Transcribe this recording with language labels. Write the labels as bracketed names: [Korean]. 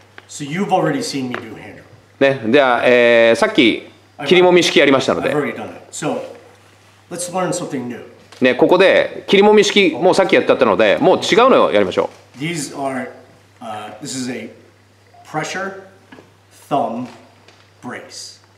[English] So you've already seen me do hair. [Japanese] ね、じゃあ、さっき切りもみ式やりましたので。 [English] I've already done it. So, let's learn something new. [Japanese] ね、ここで切りもみ式もうさっきやったので、もう違うのをやりましょう。 [English] These are, this is a pressure thumb brace.